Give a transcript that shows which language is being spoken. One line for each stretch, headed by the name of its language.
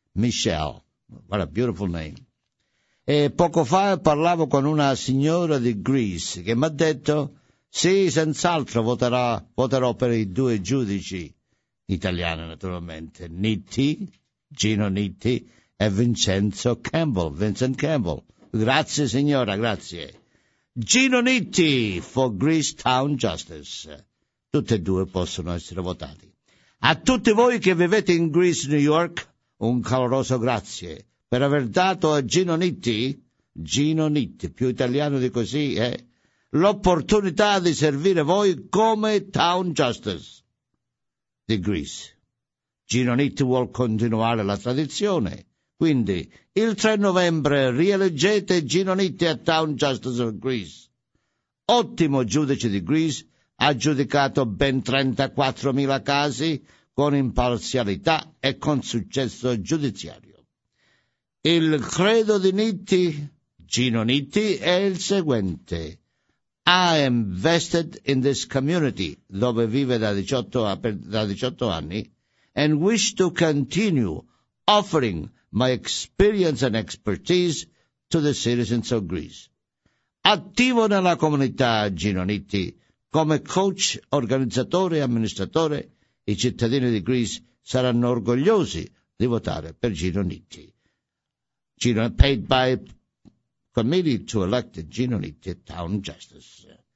Italian: Michelle,
English: what a beautiful name.
Italian: E poco fa parlavo con una signora di Greece che mi ha detto: sì, senz'altro voterò per i due giudici italiani, naturalmente, Nitti, Gino Nitti e Vincenzo Campbell, Vincent Campbell. Grazie signora, grazie.
English: Gino Nitti for Greece Town Justice.
Italian: Tutte e due possono essere votati. A tutti voi che vivete in Greece, New York, un caloroso grazie per aver dato a Gino Nitti, più italiano di così, l'opportunità di servire voi come Town Justice di Greece. Gino Nitti vuol continuare la tradizione. Quindi, il 3 novembre, rieleggete Gino Nitti a Town Justice of Greece. Ottimo giudice di Greece, ha giudicato ben 34.000 casi con imparzialità e con successo giudiziario. Il credo di Nitti, Gino Nitti, è il seguente.
English: I am vested in this community,
Italian: dove vive da 18 anni,
English: and wish to continue offering my experience and expertise to the citizens of Greece.
Italian: Attivo nella comunità, Gino Nitti, come coach, organizzatore e amministratore, i cittadini di Greece saranno orgogliosi di votare per Gino Nitti.
English: Gino è paid by committee to elect Gino Nitti Town Justice.